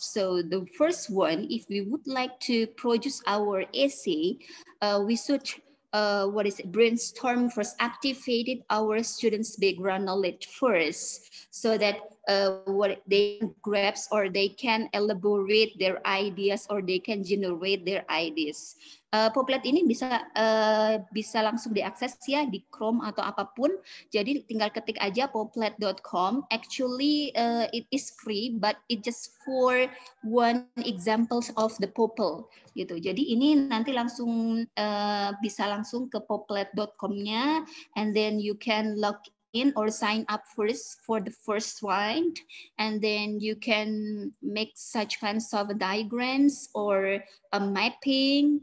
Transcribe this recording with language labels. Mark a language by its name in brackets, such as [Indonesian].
[English] So the first one, if we would like to produce our essay, we should brainstorm first, activated our students' background knowledge first, so that what they grasp or they can elaborate their ideas or they can generate their ideas. [Indonesian] Poplet ini bisa langsung diakses ya di Chrome atau apapun. Jadi tinggal ketik aja poplet.com. [English] Actually it is free, but it just for one examples of the Popple [Indonesian] gitu. Jadi ini nanti langsung bisa langsung ke poplet.com-nya, [English] and then you can log in or sign up first for the first round, and then you can make such kinds of diagrams or a mapping.